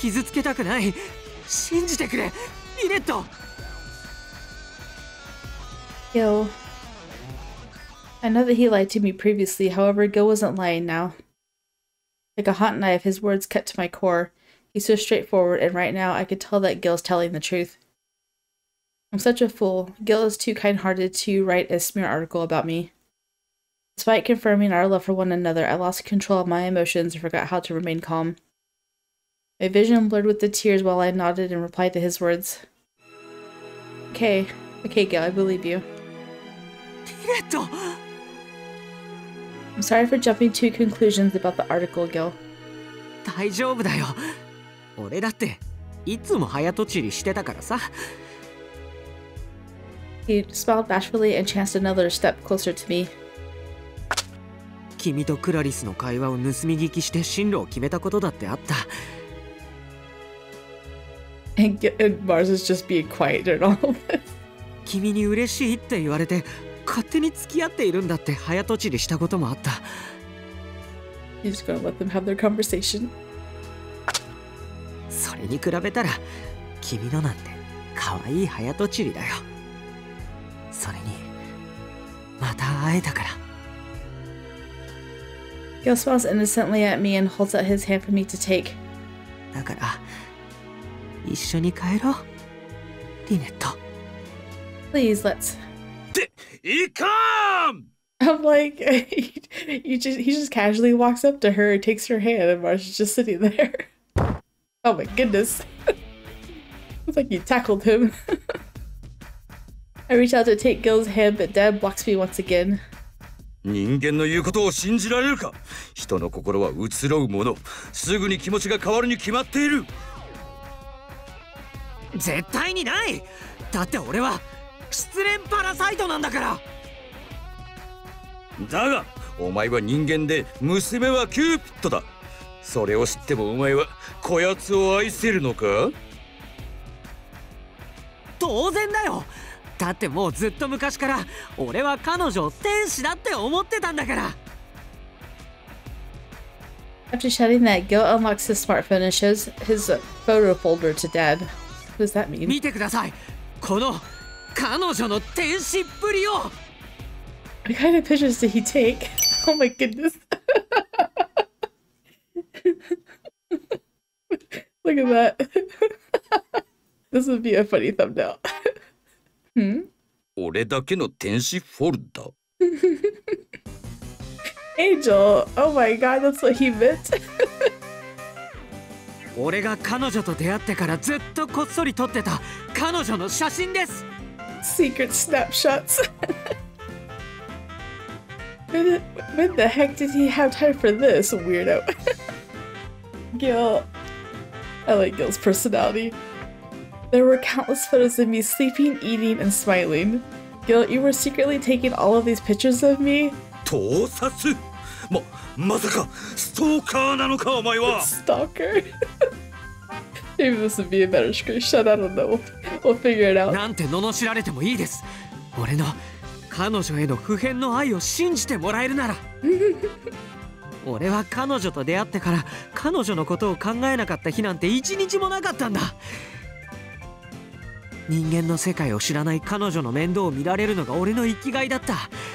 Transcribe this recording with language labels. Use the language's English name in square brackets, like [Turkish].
[Japanese] でも世の中に出回る前に俺がもみ消した。だからもうあの記事は消えた。君の事実無根な悪評は広まらなかったんだ。俺は君を傷つけたくない。信じてくれ、リネット。 [English] Gil, I know that he lied to me previously, however Gil wasn't lying now. Like a hot knife, his words cut to my core. He's so straightforward, and right now I could tell that Gil's telling the truth. I'm such a fool. Gil is too kind-hearted to write a smear article about me. Despite confirming our love for one another, I lost control of my emotions and forgot how to remain calm. My vision blurred with the tears while I nodded and replied to his words. Okay, Gil, I believe you. I'm sorry for jumping to conclusions about the article, Gil. He smiled bashfully and chanced another step closer to me. [Japanese] 君とクラリスの会話を盗み聞きして進路を決めたことだってあった。 [English] And Mars is just being quiet and all of this. [Japanese] 君に嬉しいって言われて勝手に付き合っているんだって早とちりしたこともあった。 [English] He's just gonna let them have their conversation. [Japanese] それに比べたら君のなんて可愛い早とちりだよ。それにまた会えたから。 [English] Gil smiles innocently at me and holds out his hand for me to take. [Japanese] だから一緒に帰ろう、リネット。 [English] Please, let's. [Japanese] で、いかん！ [English] I'm like, he just casually walks up to her, takes her hand, and Marsh is just sitting there. Oh my goodness. It's like you tackled him. I reach out to take Gil's hand, but Deb blocks me once again. [Japanese] 人間の言うことを信じられるか？人の心は移ろうもの。すぐに気持ちが変わるに決まっている。絶対にない。だって俺は失恋パラサイトなんだから。だが、お前は人間で娘はキューピッドだ。それを知ってもお前はこやつを愛せるのか？当然だよ。だってもうずっと昔から俺は彼女を天使だって思ってたんだから。 [English] After shouting that, Gil unlocks his smartphone and shows his photo folder to Dad. What does that mean? [Japanese] 見てください。この彼女の天使っぷりを。 [English] What kind of pictures did he take? Oh my goodness. Look at that. This would be a funny thumbnail. Hmm? [Japanese] 俺だけの天使フォルダ。 [English] Angel. Oh my god, that's what he meant. [Japanese] 俺が彼女と出会ってからずっとこっそり撮ってた彼女の写真です。 [English] Secret snapshots. When the heck did he have time for this, weirdo? Gil. I like Gil's personality. There were countless photos of me sleeping, eating, and smiling. Gil, you were secretly taking all of these pictures of me? [Japanese] 盗撮？まさかストーカーなのかお前は。 [English] Stalker? Maybe this would be a better description. I don't know. We'll figure it out. [Japanese] なんて罵られてもいいです。俺の彼女への不変の愛を信じてもらえるなら。俺は彼女と出会ってから彼女のことを考えなかった日なんて一日もなかったんだ。人間の世界を知らない彼女の面倒を見られるのが俺の生きがいだった。